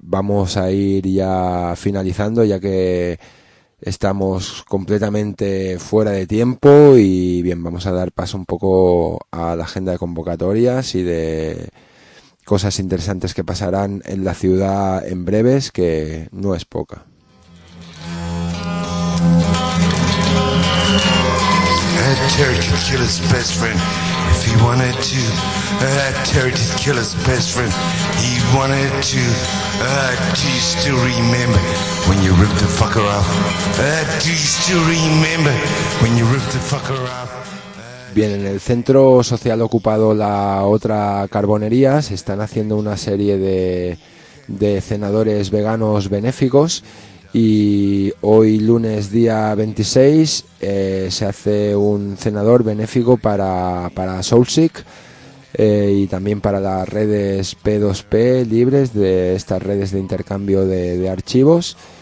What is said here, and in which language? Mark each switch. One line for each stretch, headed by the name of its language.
Spanish: Vamos a ir ya finalizando, ya que estamos completamente fuera de tiempo. Y bien, vamos a dar paso un poco a la agenda de convocatorias y de cosas interesantes que pasarán en la ciudad en breves, que no es poca.
English: That Terry could kill his best friend if he wanted to. That Terry did kill his best friend, he wanted to. Do you still remember when you ripped the fucker off? Do you still remember when you ripped the fucker off?
Spanish: Bien, en el centro social ocupado La Otra Carbonería se están haciendo una serie de cenadores veganos benéficos. Y hoy lunes día 26 se hace un cenador benéfico para Soulsick y también para las redes P2P libres de estas redes de intercambio de archivos.